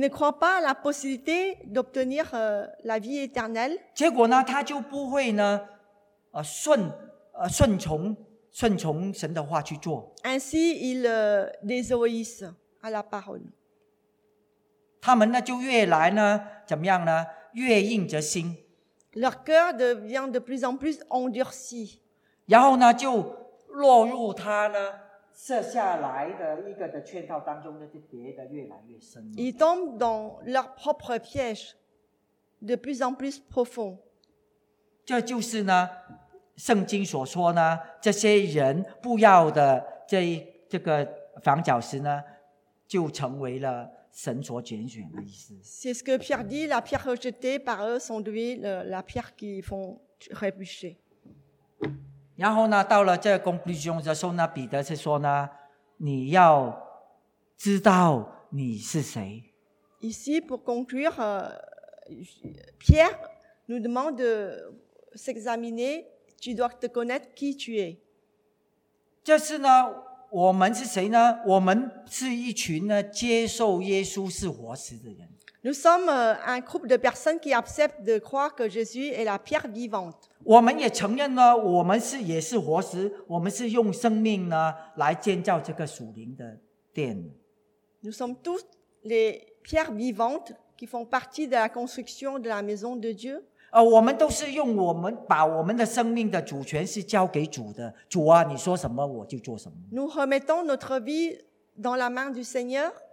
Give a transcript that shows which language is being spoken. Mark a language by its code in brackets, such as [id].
[fr] ne croit pas à la possibilité d'obtenir la vie éternelle. Et donc, [zh] 顺从神的话去做。 [fr] Ainsi, ils désobéissent à la parole. [zh] 他们呢就越来呢怎么样呢越硬着心。 [fr] Leur cœur devient de plus en plus endurci. [zh] 然后呢就落入他呢设下来的一个的圈套当中呢就跌得越来越深。 [fr] Ils tombent dans leur propre piège de plus en plus profond. [zh] 这就是呢圣经所说呢，这些人不要的这个房角石呢，就成为了神所拣选的意思。 [fr] C'est ce que Pierre dit, la pierre rejetée par eux sont devenues la pierre qui font rebucher. [zh] 然后呢，到了这个 conclusion 的时候呢，彼得是说呢，你要知道你是谁。 [fr] Ici pour conclure, Pierre nous demande de s'examiner. Tu dois te connaître qui tu es. [zh] 这是呢，我们是谁呢？我们是一群呢，接受耶稣是活石的人。 [fr] Nous sommes un groupe de personnes qui acceptent de croire que Jésus est la pierre vivante. [zh] 我们也承认呢，我们是也是活石，我们是用生命呢来建造这个属灵的殿。 [fr] Nous sommes tous les pierres vivantes qui font partie de la construction de la maison de Dieu. [zh] 我们都是用我们把我们的生命的主权是交给主的主啊你说什么我就做什么 [fr] Nous remettons notre vie dans la main du Seigneur